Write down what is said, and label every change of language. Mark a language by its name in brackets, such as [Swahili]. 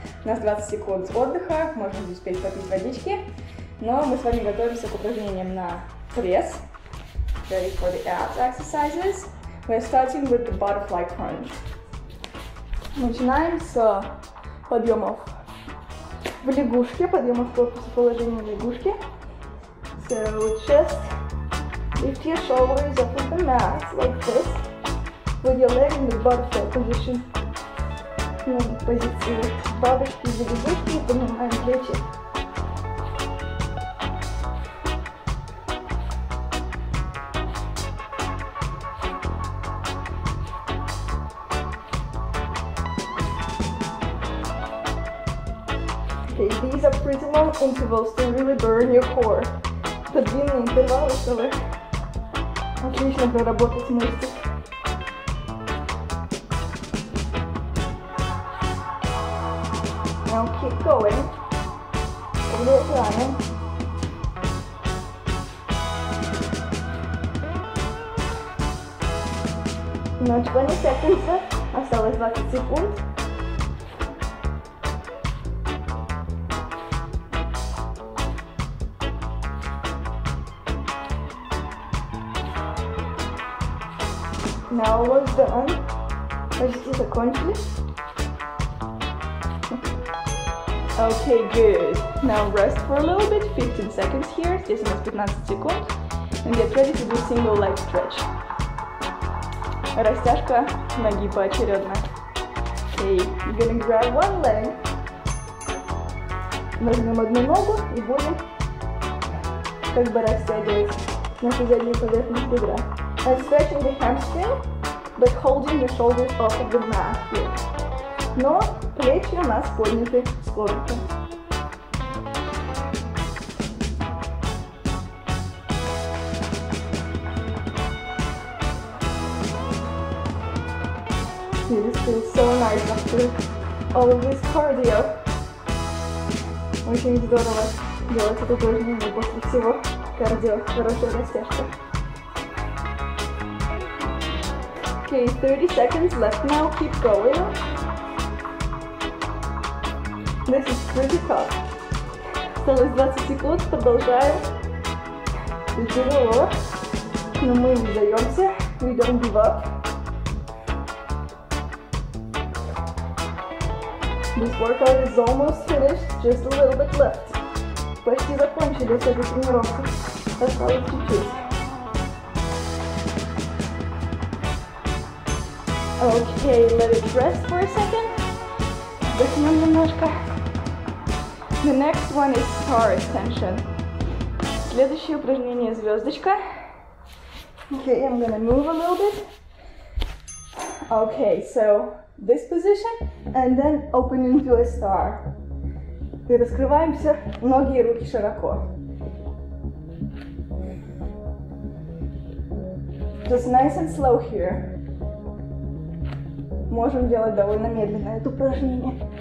[Russian] У нас 20 секунд отдыха, можно успеть попить водички. Но мы с вами готовимся к упражнениям на пресс. [English] Ready for the abs exercises. We're starting with the butterfly crunch. [Russian] Начинаем с подъемов в лягушке, подъемов корпуса, положения в лягушке. [English] So chest, lift your shoulders up with the mat, like this. With your leg in the butterfly position. [Russian] На позиции бабочки за лягушки и поднимаем плечи. [English] Okay, these are pretty long intervals to really burn your core. [Russian] Это длинные интервалы, чтобы отлично проработать мышцы. [English] Now keep going. Over the line. Now 20 seconds. [Russian] Осталось 20 секунд. [English] Now almost done. [Russian] Почти закончили. [English] Okay, good. Now rest for a little bit, 15 seconds here. [Russian] Здесь у нас 15 секунд. [English] And get ready to do single leg stretch. [Russian] Растяжка ноги поочередно. [English] Okay, you're gonna grab one leg. [Russian] Возьмем одну ногу и будем как бы растягивать нашу заднюю поверхность бедра. [English] I'm stretching the hamstring, but holding the shoulders off of the mat here. [Russian] Но плечи у нас подняты. [English] Dude, this feels so nice after all of this cardio. [Russian] Очень здорово делать это упражнение после всего кардио. Хорошая растяжка. [English] Okay, 30 seconds left now. Keep going. This is pretty tough. [Russian] Осталось 20 секунд, продолжаем. Тяжело. Но мы не сдаемся. [English] We don't give up. This workout is almost finished. Just a little bit left. [Russian] Почти закончили с этой тренировкой. Осталось чуть-чуть. [English] Okay, let it rest for a second. [Russian] Вдохнем немножко. [English] The next one is star extension. [Russian] Следующее упражнение звездочка. [English] Okay, I'm gonna move a little bit. Okay, so this position and then opening to a star. [Russian] И раскрываемся, ноги и руки широко. [English] Just nice and slow here. [Russian] Можем делать довольно медленно это упражнение.